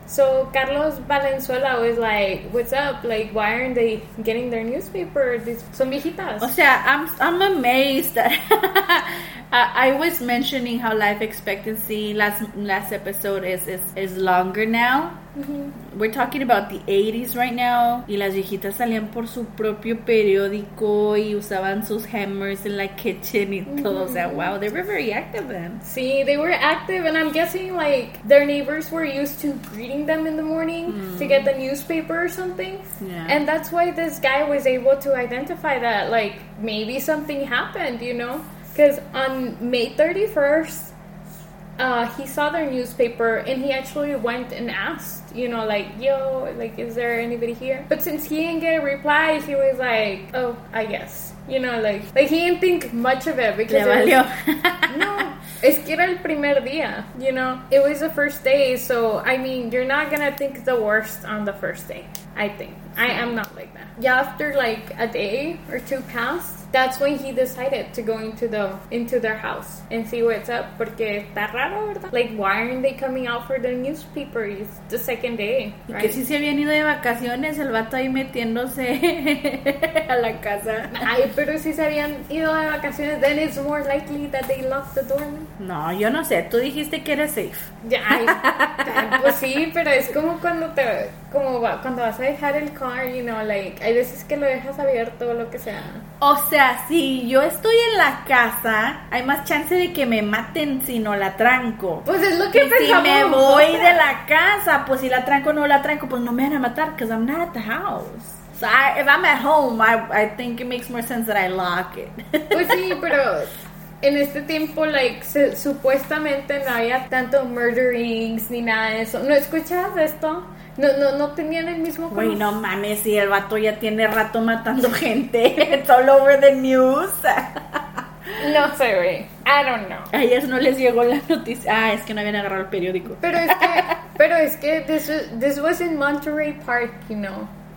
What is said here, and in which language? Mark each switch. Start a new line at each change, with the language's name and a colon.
English: So Carlos Valenzuela was like, what's up? Like, why aren't they getting their newspaper?
Spanish: Son viejitas.
English: O sea, I'm amazed that I was mentioning how life expectancy last episode is longer now. Mm-hmm. We're talking about the 80s right now.
Spanish: Y las viejitas salían por su propio periódico y usaban sus hammers in la kitchen y todo.
English: Mm-hmm. O sea, wow, they were very active then. Sí, they were active. And I'm guessing, like, their neighbors were used to greeting them in the morning to get the newspaper or something. Yeah. And that's why this guy was able to identify that, like, maybe something happened, you know? Because on May 31st, he saw their newspaper and he actually went and asked, you know, like, yo, like, is there anybody here? But since he didn't get a reply, he was like, oh, I guess. You know, like he didn't think much of it because...
Spanish: Le valió. No, es que era el primer día,
English: you know? It was the first day, so, I mean, you're not going to think the worst on the first day, I think. I am not like that. Yeah, after, like, a day or two passed, that's when he decided to go into their house and see what's up.
Spanish: Porque está raro, ¿verdad?
English: Like, why aren't they coming out for their newspapers the second day, right?
Spanish: Y que si se habían ido de vacaciones, el vato ahí metiéndose a la casa. Ay, pero si se habían ido de vacaciones,
English: then it's more likely that they locked the door.
Spanish: No, yo no sé. Tú dijiste que era safe. Ya, pues sí, pero es como cuando te... Como cuando vas a dejar el car,
English: you know,
Spanish: like, hay veces que lo dejas abierto o lo que sea. O sea, si yo estoy en la casa, hay más chance de que me maten si no la tranco. Pues es lo que pensamos. Si me voy de la casa, pues si la tranco o no la tranco, pues no me van a matar,
English: because I'm not at the house. So if I'm at home, I think it makes more sense that I lock it.
Spanish: Pues sí, pero... En este tiempo, like, supuestamente no había tanto murderings ni nada de eso. ¿No escuchabas esto? No tenían el mismo... Güey, no mames, si el vato ya tiene rato matando gente.
English: It's all over the news.
Spanish: No sé, güey.
English: I don't know.
Spanish: A ellas no les llegó la noticia. Ah, es que no habían agarrado el periódico. Pero es que
English: this was in Monterey Park, you know.